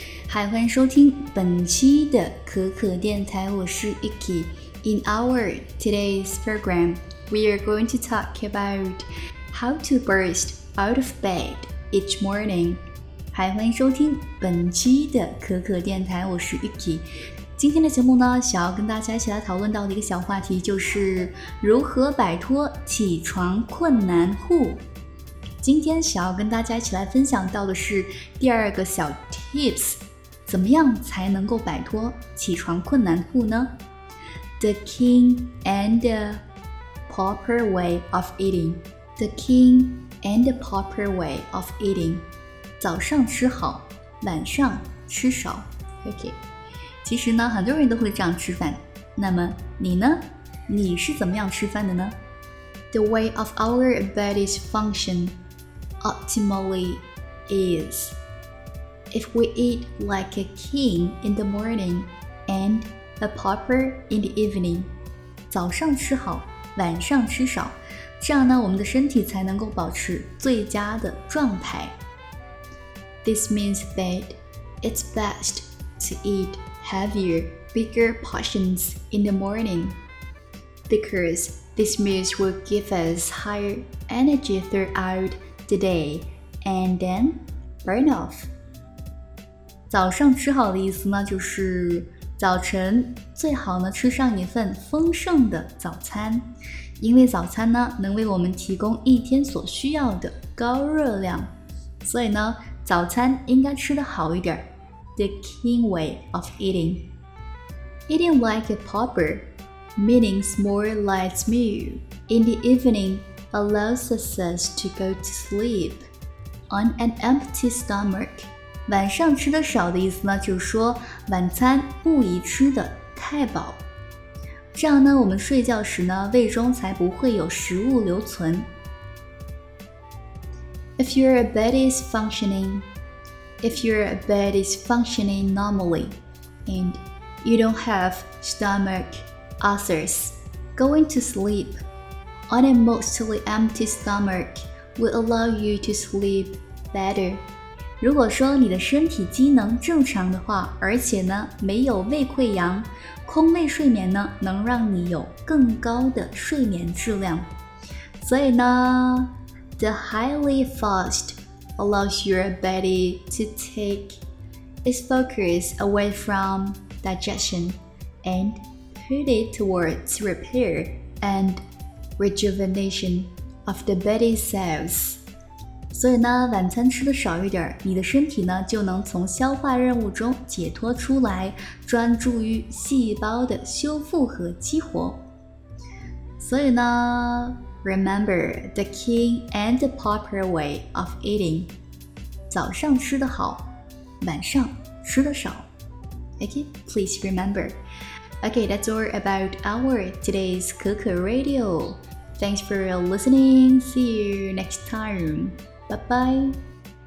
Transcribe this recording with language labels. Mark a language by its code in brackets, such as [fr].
[zh] Hi, 欢迎收听本期的可可电台，我是 Yuki. [en] In our today's program, we are going to talk about how to burst out of bed each morning. [zh] Hi, 欢迎收听本期的可可电台，我是 Yuki. 今天的节目呢，想要跟大家一起来讨论到的一个小话题，就是如何摆脱起床困难户。今天想要跟大家一起来分享到的是第二个小 tips， 怎么样才能够摆脱起床困难户呢？ [en] The king and the pauper way of eating. The king and the pauper way of eating. [zh] 早上吃好，晚上吃少。OK. 其实呢，很多人都会这样吃饭。那么你呢？你是怎么样吃饭的呢？ [en] The way of our body's function optimally is if we eat like a king in the morning and a pauper in the evening. [zh] 早上吃好，晚上吃少，这样呢，我们的身体才能够保持最佳的状态。 [en] This means that it's best to eat heavier, bigger portions in the morning because these meals will give us higher energy throughout the day and then burn off. [zh] 早上吃好的意思呢，就是早晨最好呢吃上一份丰盛的早餐，因为早餐呢能为我们提供一天所需要的高热量，所以呢早餐应该吃得好一点。 [en] The king way of eating. Eating like a pauper, meaning small light meal, in the evening allows us to go to sleep on an empty stomach. [zh] 晚上吃的少的意思呢，就是说晚餐不宜吃的太饱。这样呢，我们睡觉时呢，胃中才不会有食物留存。 [en] If your body is functioning normally and you don't have stomach ulcers, going to sleep on a mostly empty stomach will allow you to sleep better. [zh] 如果说你的身体机能正常的话，而且呢没有胃溃疡，空胃睡眠呢能让你有更高的睡眠质量。所以呢 [en] the highly fastallows your body to take its focus away from digestion and put it towards repair and rejuvenation of the body cells. [zh] 所以呢，晚餐吃的少一点，你的身体呢就能从消化任务中解脱出来，专注于细胞的修复和激活。所以呢 [en] ，Remember the king and the pauper way of eating. [zh] 早上吃得好，晚上吃得少。 [en] Okay, please remember. Okay, that's all about our today's Kekke Radio. Thanks for listening. See you next time. Bye-bye.